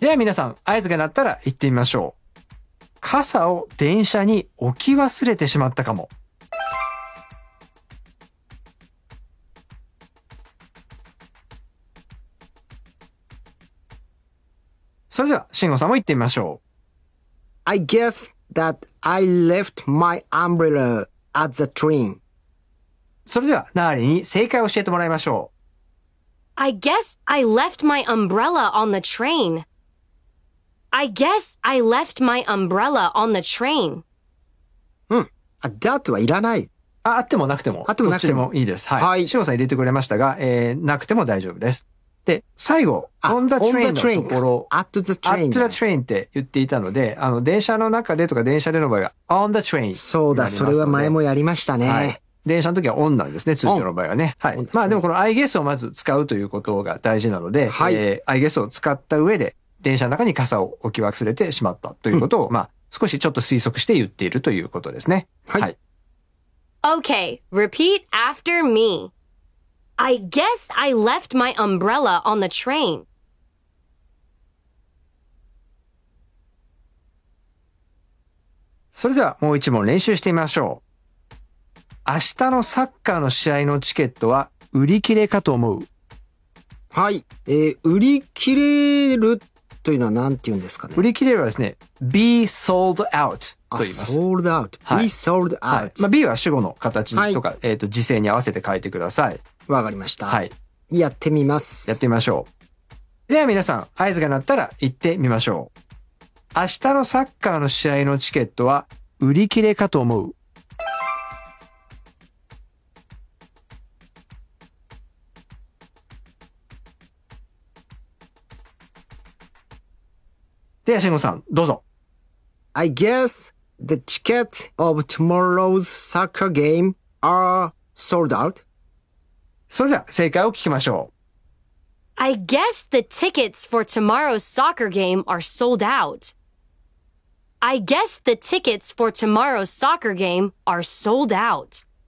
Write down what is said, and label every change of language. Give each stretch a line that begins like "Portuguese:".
Japanese: では皆さん、合図が鳴ったら行ってみましょう。傘を電車に置き忘れてしまったかも。それでは、慎吾さんも行ってみましょう。
English: I guess that I left my umbrella at the train.
Japanese: それでは、ナーリーに正解を教えてもらいましょう。
English: I guess I left my umbrella on the train. I guess I left my umbrella on the train.
Japanese: うん。あ、だとはいらない。あ、あってもなくても。あってもなくても。どっちでもいいです。はい。はい。しごさん入れてくれましたが、なくても大丈夫です。で、最後、
English: on the train
Japanese: のところ、
English: at the train。 at the train
Japanese: って言っていたので、電車の中でとか電車での場合は、
English: on the train。
Japanese: そうだ、それは前もやりましたね。はい。電車の時はオンなんですね、通常の場合はね。はい。まあでもこの
English: I guess
Japanese: をまず使うということが大事なので、はい。
English: I guess
Japanese: を使った上で、電車の中に傘を置き忘れてしまったということを、うん、まあ少しちょっと推測して言っているということですね。はい。はい、
English: okay, repeat after me.I guess I left my umbrella on the train.
Japanese: それではもう一問練習してみましょう。明日のサッカーの試合のチケットは売り切れかと思う。はい、売り切れるというのは何て言うんですかね。売り切れるはですね、
English: be sold out
Japanese: と言います。
English: sold out、
Japanese: はい、
English: be sold out、
Japanese: はい。まあ、be は主語の形とか、はい、時制に合わせて書いてください。わかりました。はい。やってみます。やってみましょう。では皆さん、合図が鳴ったら行ってみましょう。明日のサッカーの試合のチケットは売り切れかと思う。では、慎吾さん、どうぞ。
English: I guess the tickets of tomorrow's soccer game are sold out.
Japanese: それでは、正解を聞きましょう。
English: I guess the tickets for tomorrow's soccer game are sold out. I guess the tickets for tomorrow's soccer game are sold out.